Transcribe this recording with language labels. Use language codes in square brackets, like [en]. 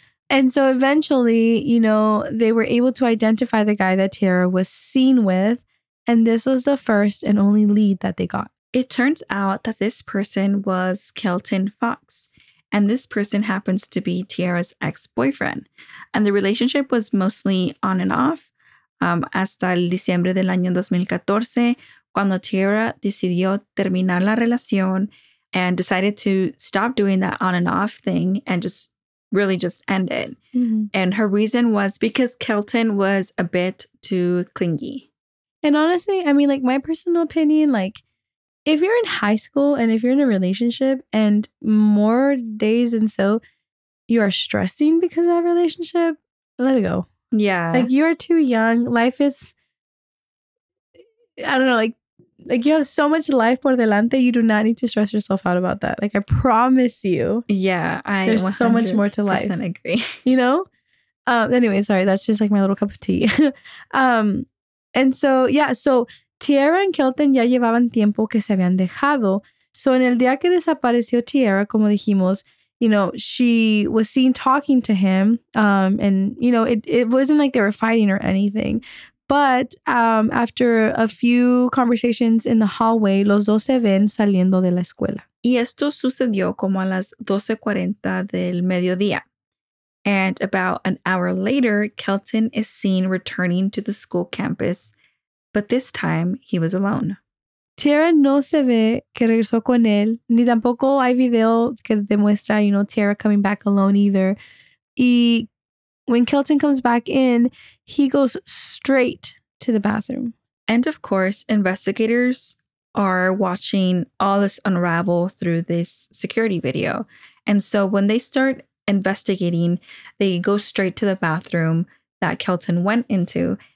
[en] And so eventually, you know, they were able to identify the guy that Tierra was seen with. And this was the first and only lead that they got. It turns out that this person was Kelton Fox. And this person happens to be Tierra's ex-boyfriend. And the relationship was mostly on and off. [es] Hasta el diciembre del año 2014, cuando Tierra decidió terminar la relación [en] and decided to stop doing that on and off thing and just really just end it. Mm-hmm. And her reason was because Kelton was a bit too clingy. And honestly, I mean, like, my personal opinion, like, if you're in high school and if you're in a relationship and more days and so you are stressing because of that relationship, let it go. Yeah. Like, you are too young. Life is, I don't know, like you have so much life [es] por delante. [en] You do not need to stress yourself out about that. Like, I promise you. Yeah. I there's so much more to life. I agree. You know? Anyway, sorry. That's just like my little cup of tea. And so, yeah. So Tierra and Kelton [es] ya llevaban tiempo que se habían dejado. [en] So [es] en el día que desapareció Tierra, como dijimos, [en] you know, she was seen talking to him. And, you know, it wasn't like they were fighting or anything. But after a few conversations in the hallway, [es] los dos se ven saliendo de la escuela. Y esto sucedió como a las 12:40 del mediodía. [en] And about an hour later, Kelton is seen returning to the school campus. But this time, he was alone. [es] Tierra no se ve que regresó con él, ni tampoco hay video que demuestra, [en] you know, Tierra coming back alone either. Y when Kelton comes back in, he goes straight to the bathroom. And of course, investigators are watching all this unravel through this security video. And so when they start investigating, they go straight to the bathroom that Kelton went into.